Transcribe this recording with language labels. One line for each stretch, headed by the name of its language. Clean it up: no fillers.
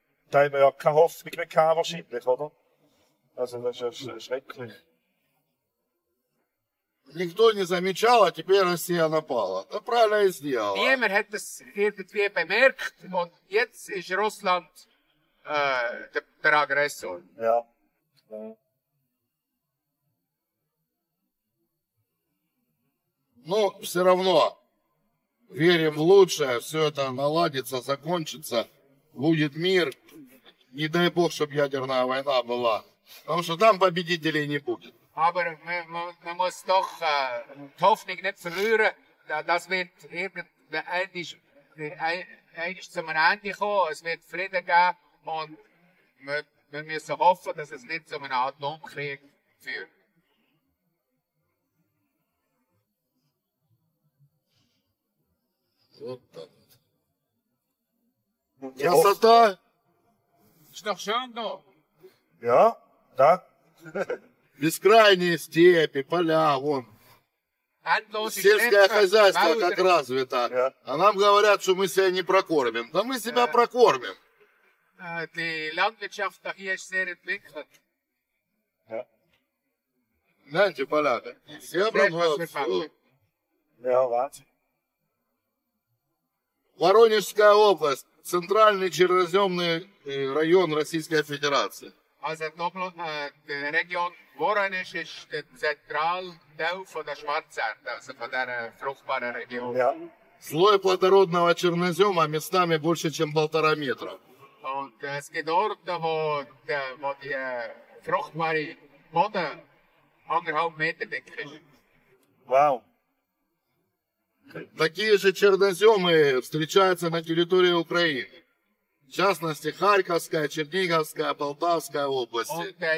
German: Da haben wir ja keine Hoffnung mehr gehabt, wahrscheinlich, oder? Also das ist ja schrecklich.
Russian: Никто не замечал, а теперь Россия напала. Да правильно и сделала.
German: Niemand hat das irgendwie bemerkt, und jetzt ist Russland der Aggressor. Ja.
Russian: Ну, все равно верим в лучшее, все это наладится, закончится, будет мир. Не дай бог, чтобы ядерная война была. Потому что там победителей не будет.
German: Aber man muss doch die Hoffnung nicht verlieren. Das wird endlich zum Ende kommen. Es wird Frieden geben. Und wir müssen hoffen, dass es nicht zu einem Atomkrieg führt.
Russian: Красота!
German: Ist doch schön da. Ja, da.
Russian: Бескрайние степи, поля, вон. Сельское хозяйство как развито. А нам говорят, что мы себя не прокормим. Да мы себя прокормим.
German: Die Landwirtschaft hier ist sehr entwickelt.
Russian: Знаете, поля, все обрабатывают. Воронежская область, центральный черноземный район Российской Федерации.
German: Also der Region Воронеж ist der Zentralteil von der Schwarzerde, also von der fruchtbaren Region. Ja.
Russian: Слой плодородного чернозема местами больше, чем 1,5 метра.
German: Und es gibt Orte, wo die fruchtbare Boden 1,5 Meter dick ist. Wow.
Russian: Такие же черноземы встречаются на территории Украины. В частности, Харьковская, Черниговская, Полтавская области.